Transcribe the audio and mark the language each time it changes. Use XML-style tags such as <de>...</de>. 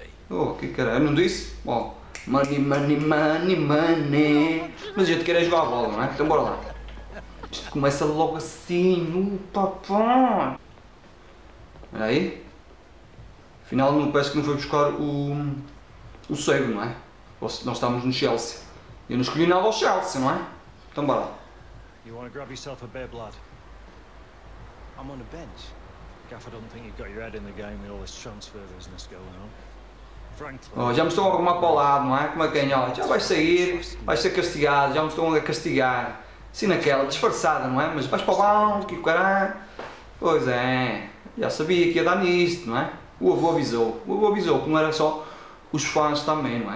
<pt>Oh, que caralho, não disse? Bom, money, mas a gente quer é jogar a bola, não é? Então bora lá. Isto começa logo assim, papai! Olha aí. Afinal, não, parece que não foi buscar o save, não é? Nós estávamos no Chelsea. Eu não escolhi nada ao Chelsea, não é? Então, bora.</pt> <en>You want to grab yourself a bear blood? I'm on a bench. Gaffer, don't think you've got your head in the game with all this transfer business going on.</en> <pt>Oh, já me estão a arrumar para o lado, não é? Como é que é, ó? Já vais sair, vais ser castigado, já me estão a castigar. Sim, naquela, disfarçada, não é? Mas vais para o balde, que o caralho. Pois é, já sabia que ia dar nisto, não é? O avô avisou, que não era só os fãs também, não é?</pt>